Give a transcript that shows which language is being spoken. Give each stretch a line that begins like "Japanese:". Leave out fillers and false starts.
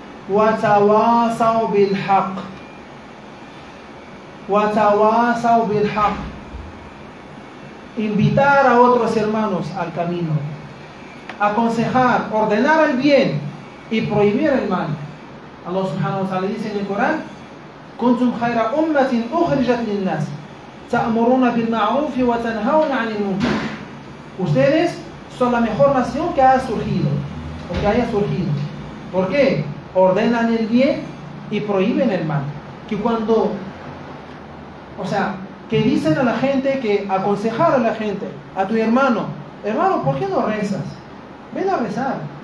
Arabic: وَتَوَاسَوْ بِالْحَقِّ وَتَوَاسَوْ بِالْحَقِّ.
Spanish: Invitar a otros hermanos al camino, aconsejar, ordenar el bien y prohibir el mal. Allah subhanahu wa ta'ala dice en el Corán:
Arabic: كُنْتُمْ خَيْرَ أُمَّةٍ أُخْرِجَتْ لِلنَّاسِ تَأْمُرُونَ بِالْمَعْرُوفِ وَتَنْهَوْنَ عَنِ الْمُنكَرِ.
Spanish: Ustedes son la mejor nación que ha surgido o que haya surgido. ¿Por qué? Ordenan el bien y prohíben el mal. Que cuando, o sea, que dicen a la gente, que aconsejar a la gente, a tu hermano, hermano, ¿por qué no rezas? Ven a rezar.